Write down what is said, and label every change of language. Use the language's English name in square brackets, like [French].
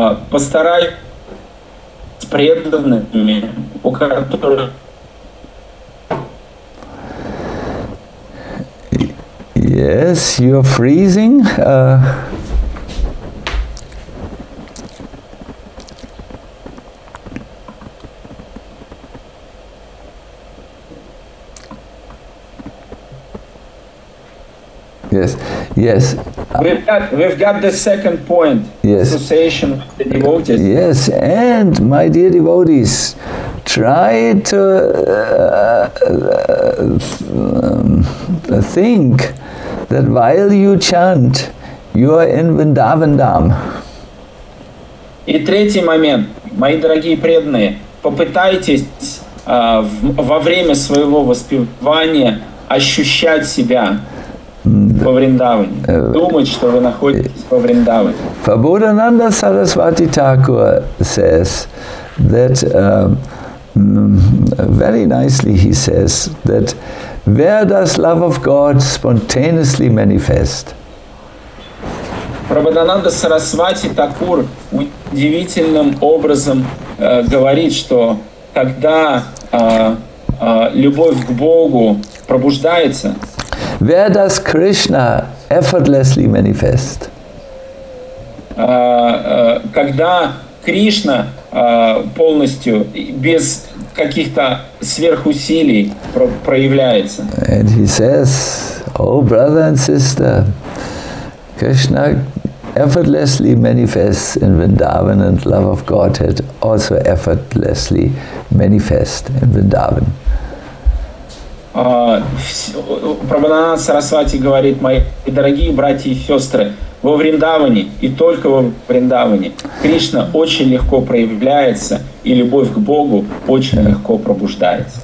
[Russian] Постарайся с преданными, у которых... [English] Yes, you're freezing. Yes. We've got the second point. Yes. Association with the devotees. Yes, and my dear devotees, try to think that while you chant, you are in Vrindavan Dham. [Russian] И третий момент, мои дорогие преданные, попытайтесь во время своего воспевания ощущать себя во Вриндаване. Думать, что вы находитесь во Вриндаване. [English] Прабхудананда Сарасвати Такур says that very nicely he says that where does love of God spontaneously manifest? [Russian] Прабхудананда Сарасвати Такур удивительным образом говорит, что когда любовь к Богу пробуждается, [English] where does Krishna effortlessly manifest? [Russian] Когда Кришна полностью без каких-то сверхусилий проявляется. [English] And he says, oh brother and sister, Krishna effortlessly manifests in Vrindavan and love of Godhead also effortlessly manifest in Vrindavan. [Russian] Прабхудананда Сарасвати говорит, мои дорогие братья и сестры, во Вриндаване и только во Вриндаване Кришна очень легко проявляется и любовь к Богу очень легко пробуждается.